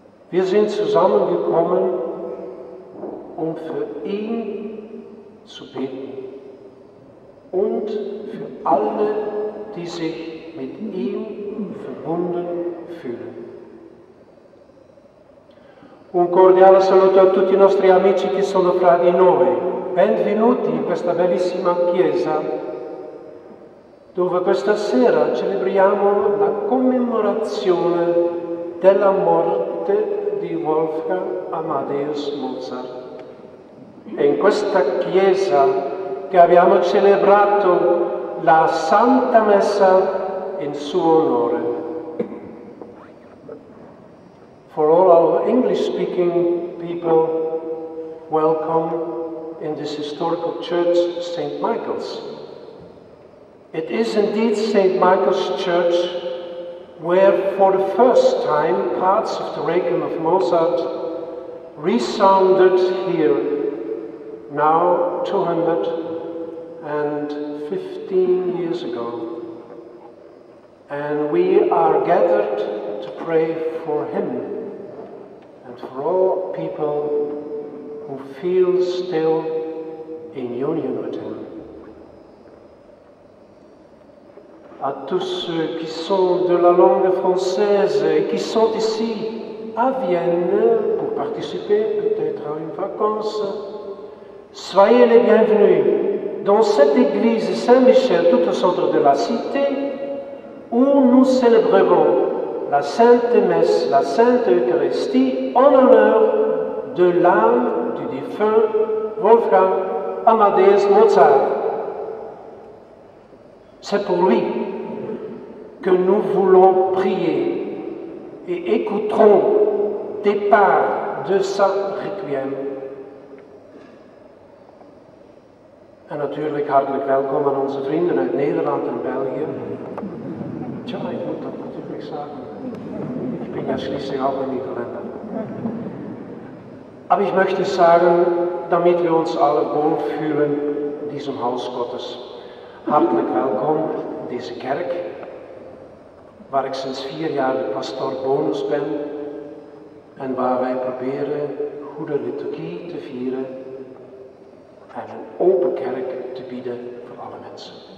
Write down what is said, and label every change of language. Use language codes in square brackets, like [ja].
[de] Wir sind zusammengekommen, um für ihn zu beten und für alle, die sich mit ihm verbunden fühlen. [it] Un cordiale saluto a tutti i nostri amici che sono fra di noi. Benvenuti in questa bellissima chiesa dove questa sera celebriamo la commemorazione della morte di Wolfgang Amadeus Mozart. È in questa chiesa che abbiamo celebrato la Santa Messa in suo onore. [en] For all our English-speaking people, welcome in this historical church, St. Michael's. It is indeed St. Michael's Church where, for the first time, parts of the Requiem of Mozart resounded here, now 215 years ago. And we are gathered to pray for him. For all people who feel still in union with him. [fr] À tous ceux qui sont de la langue française et qui sont ici à Vienne pour participer peut-être à une vacance, soyez les bienvenus dans cette église Saint-Michel, tout au centre de la cité, où nous célébrerons la Sainte Messe, la Sainte Eucharistie, en honneur de l'âme du défunt Wolfgang Amadeus Mozart. C'est pour lui que nous voulons prier et écouterons des parts de sa requiem. [nl] Et natuurlijk hartelijk welkom à onze vrienden uit Nederland en België. Tja, ik moet dat natuurlijk zeggen. [de] Ich bin ja schließlich auch ein Niederländer. Aber ich möchte sagen, damit wir uns alle wohl fühlen in diesem Haus Gottes, hartlich willkommen in diese Kerk, waar ich seit 4 Jahren Pastor Bonus bin und [nl] waar wij proberen, goede Liturgie [de] zu vieren und eine [nl] open Kerk [de] zu bieden für alle Menschen.